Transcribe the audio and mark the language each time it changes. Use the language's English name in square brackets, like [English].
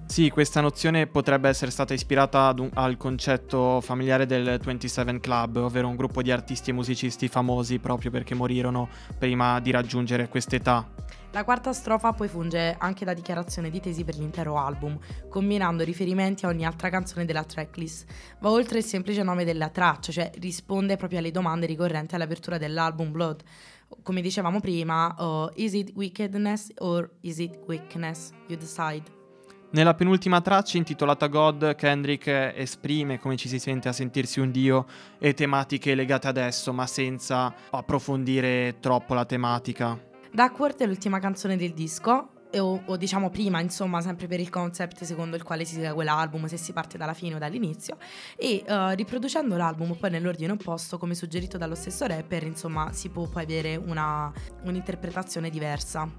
[Italian] Sì, questa nozione potrebbe essere stata ispirata al concetto familiare del 27 Club, ovvero un gruppo di artisti e musicisti famosi proprio perché morirono prima di raggiungere quest'età. La quarta strofa poi funge anche da dichiarazione di tesi per l'intero album, combinando riferimenti a ogni altra canzone della tracklist. Va oltre il semplice nome della traccia, cioè risponde proprio alle domande ricorrenti all'apertura dell'album Blood. Come dicevamo prima, [English] is it wickedness or is it weakness? You decide. [Italian] Nella penultima traccia, intitolata God, Kendrick esprime come ci si sente a sentirsi un dio e tematiche legate ad esso, ma senza approfondire troppo la tematica. Duckworth è l'ultima canzone del disco, o diciamo prima, insomma, sempre per il concept secondo il quale si segue l'album, se si parte dalla fine o dall'inizio, e riproducendo l'album poi nell'ordine opposto, come suggerito dallo stesso rapper, insomma, si può poi avere un'interpretazione diversa.